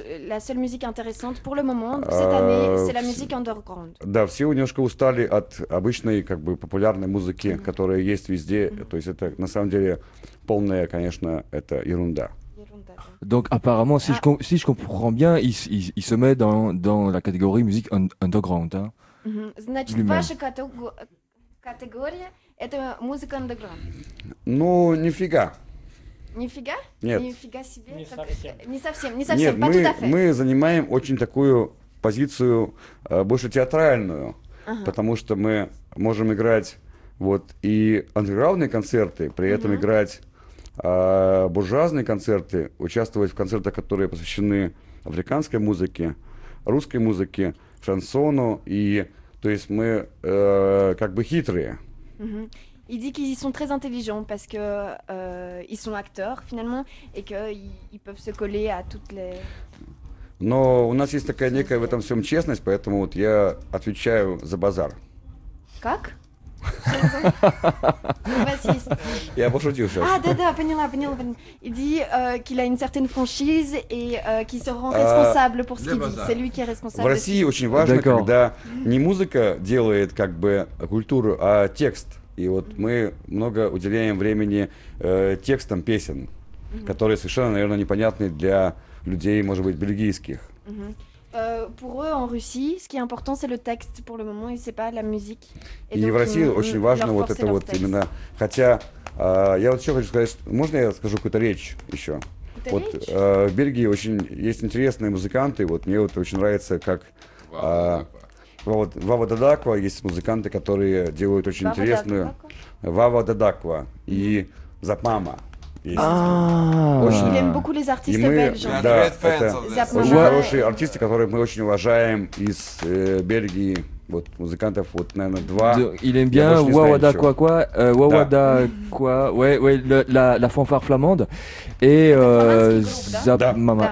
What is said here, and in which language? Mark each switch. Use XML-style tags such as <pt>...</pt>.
<fr>La seule musique intéressante pour le moment cette année, c'est la musique underground.</fr> <ru>Да, все немножко устали от обычной как бы популярной музыки, mm-hmm. которая есть везде. Mm-hmm. То есть это на самом деле полная, конечно, это ерунда.</ru> <fr>Donc apparemment, si je comprends bien, il se met dans la catégorie musique underground. Hein, mm-hmm.</fr> <ru>Значит,</ru> <fr>lui-même.</fr> <ru>Ваша категория это музыка underground. Ну, нифига. Нифига? Нет. Нифига себе. Не совсем. Нет, мы занимаем очень такую позицию больше театральную, ага. потому что мы можем играть вот и андерграундные концерты, при этом ага. играть буржуазные концерты, участвовать в концертах, которые посвящены африканской музыке, русской музыке, шансону, и то есть мы как бы хитрые. Ага.</ru> <fr>Il dit qu'ils sont très intelligents parce que ils sont acteurs finalement et que ils peuvent se coller à toutes les.</fr> <ru>Но у нас есть такая некая в этом всем честность, поэтому вот я отвечаю за базар. Как? Я пошутил сейчас. А, да, поняла.</ru> <fr>Il dit qu'il a une certaine franchise et qu'il se rend responsable pour ce qu'il dit. C'est lui qui est responsable.</fr> <ru>В России очень важно, когда не музыка делает как бы культуру, а текст. И вот мы много уделяем времени текстам песен, mm-hmm. которые совершенно, наверное, непонятны для людей, может быть, бельгийских. Mm-hmm.</ru> <fr>Pour eux, en Russie, ce qui est important, c'est le texte pour le moment, et c'est pas la musique.</fr> <ru>И donc, в России очень важно вот это вот именно. Хотя, я вот еще хочу сказать, что, можно я скажу какую-то речь еще? Это вот речь? В Бельгии очень есть интересные музыканты, вот мне вот очень нравится, как... Вава Дадаква, есть музыканты, которые делают очень Вава интересную... Вава Дадаква и Запмама. Очень... Мы любим очень артистов бельгийских. Да, это очень хорошие артисты, которых мы очень уважаем из Бельгии. Вот музыкантов, вот, наверное, два.</ru> <fr>Il aime bien Wawa da quoi quoi, Wawa da quoi, ouais, ouais, la fanfare flamande et Zapmama.</fr>